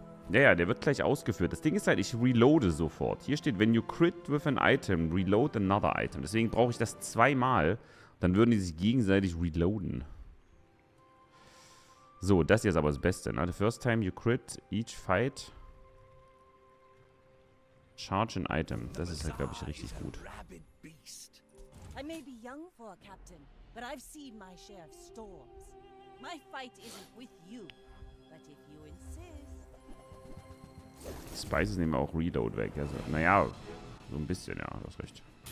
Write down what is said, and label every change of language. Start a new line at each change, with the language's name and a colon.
German: Ja, der wird gleich ausgeführt. Das Ding ist halt, ich reloade sofort. Hier steht,
English: when you crit with an item, reload another item.
German: Deswegen brauche ich das zweimal. Dann würden die sich gegenseitig reloaden. So, das hier ist aber das Beste, ne?
English: The first time you crit each fight, charge an item.
German: Das ist halt, glaube ich, richtig gut.
English: I may be young for a captain, but I've seen my share of storms. My fight isn't with you, but if you insist.
German: Spices nehmen auch Reload weg. Also, naja, so ein bisschen, ja, das recht.